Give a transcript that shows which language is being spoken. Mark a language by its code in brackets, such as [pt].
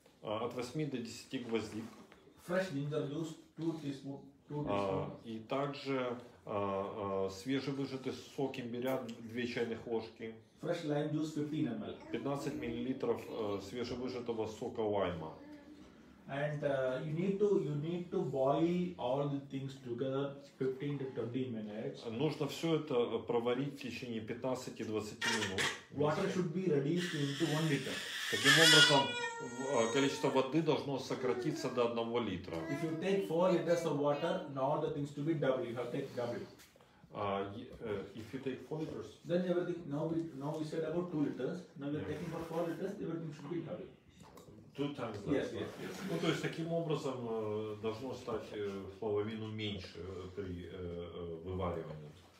[ru] От 8 до 10 гвоздик. [en] Fresh ginger juice. Two teaspoons. [ru] И также свежевыжатый сок имбиря 2 чайных ложки. [en] Fresh lime juice 15 ml. [ru] 15 миллилитров свежевыжатого сока лайма. [en] And you need to boil all the things together 15-20 minutes. [ru] Нужно все это проварить в течение 15-20 минут. [en] Water should be reduced into 1 liter. [ru] Таким образом, количество воды должно сократиться до 1 литра. [en] If you take 4 liters of water, now the things to be double. You have to take double. If you take 4 liters. Then everything, now we said about 2 liters. Now we're taking for 4 liters, everything should be double. Yes. [ru] Ну, то есть таким образом должно стать в половину меньше при вываривании.